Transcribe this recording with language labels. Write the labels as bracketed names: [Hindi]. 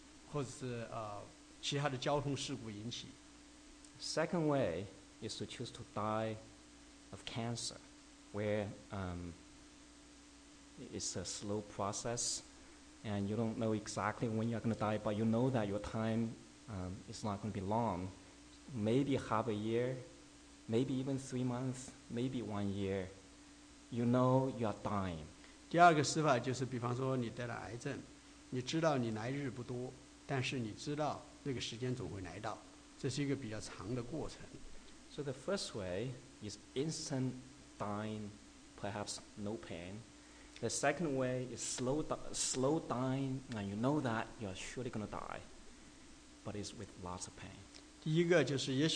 [Chinese] 其中一个呢，就是一个一下子就死掉的，比方像是飞机失事或者是其他的交通事故引起。 [English] Second way is to choose to die of cancer, where it's a slow process, and you don't know exactly when you're going to die, but you know that your time is not going to be long, maybe half a year, maybe even 3 months, maybe 1 year. You know you are dying. [Chinese] 第二个死法就是比方说你得了癌症，你知道你来日不多，但是你知道那个时间总会来到。这是一个比较长的过程。So [English] the first way is instant dying, perhaps no pain. The second way is slow dying, and you know that you're surely going to die, but it's with lots of pain.